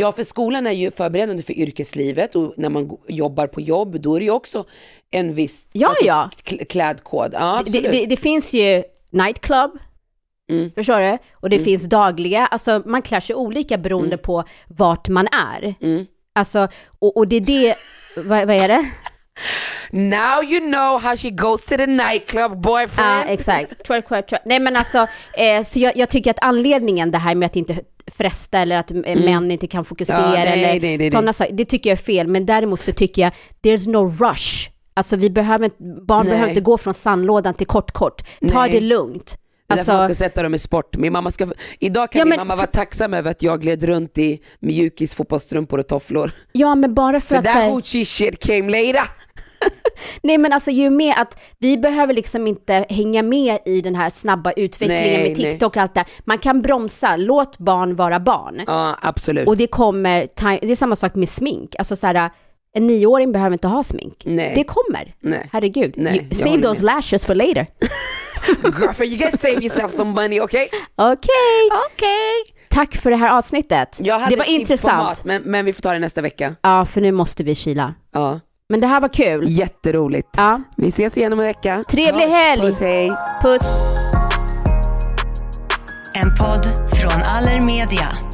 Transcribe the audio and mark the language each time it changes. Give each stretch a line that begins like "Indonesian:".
Swedish: Ja, för skolan är ju förberedande för yrkeslivet. Och när man jobbar på jobb, då är det ju också en viss klädkod. Ja, det finns ju nightclub. Förstår du? Och det finns dagliga. Alltså man klär sig olika beroende på vart man är. Alltså, och det är det... vad är det?
English: Now you know how she goes to the nightclub boyfriend.
Swedish: Ja, exakt. Nej men alltså, så jag tycker att anledningen det här med att inte fresta eller att män inte kan fokusera det tycker jag är fel. Men däremot så tycker jag
English: there's no rush.
Swedish: Alltså barn behöver inte gå från sandlådan till kort. Ta det lugnt. Alltså, därför man ska sätta dem i sport. Min mamma vara tacksam över att jag gled runt i mjukis, fotbollstrumpor och tofflor. Ja, men bara för att...
English: That hoochie shit came later.
Swedish: Nej, men alltså ju med att vi behöver liksom inte hänga med i den här snabba utvecklingen med TikTok och allt det. Man kan bromsa. Låt barn vara barn. Ja, absolut. Och det är samma sak med smink. Alltså så här... En 9-åring behöver inte ha smink. Nej. Det kommer. Nej. Herregud. Nej,
English: save those lashes for later. Girlfriend, you gotta save yourself some money, okay? Okay.
Swedish: Tack för det här avsnittet. Det var intressant. Mat, men vi får ta det nästa vecka. Ja, för nu måste vi kila. Ja. Men det här var kul. Jätteroligt. Ja. Vi ses igen om en vecka. Trevlig helg. Puss, hej. Puss. En podd från Aller Media.